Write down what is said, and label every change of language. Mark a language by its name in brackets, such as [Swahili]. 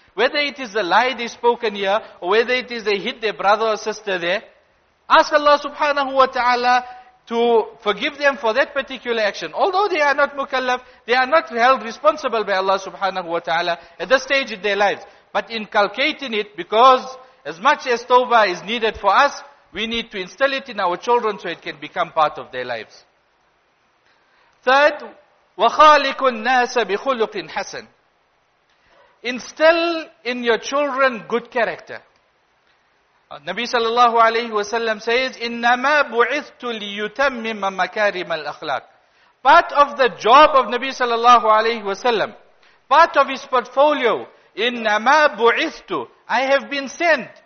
[English] Whether it is a lie they spoken here, or whether it is they hit their brother or sister there, ask Allah subhanahu wa ta'ala to forgive them for that particular action. Although they are not mukallaf, they are not held responsible by Allah subhanahu wa ta'ala at this stage in their lives. But inculcating it, because as much as tawbah is needed for us, we need to instill it in our children so it can become part of their lives. Third, [Arabic] وَخَالِقُ النَّاسَ بِخُلُقٍ حَسَنٍ. [English] Instill in your children good character. Nabi sallallahu alayhi wa sallam says, [Arabic] إِنَّمَا بُعِثْتُ لِيُتَمِّمَ مَكَارِمَ الْأَخْلَاقِ. [English] Part of the job of Nabi sallallahu alayhi wa sallam, part of his portfolio, [Arabic] إِنَّمَا بُعِثْتُ, [English] I have been sent.